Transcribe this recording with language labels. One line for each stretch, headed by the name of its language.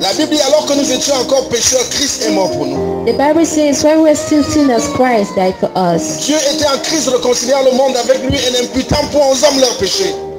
French: La Bible dit alors que nous étions encore pécheurs, Christ est mort pour nous.
English: The Bible says when we are still sinners, Christ died for us.
French: Dieu était en Christ réconciliant le monde avec lui et n'imputant point aux hommes leurs péchés.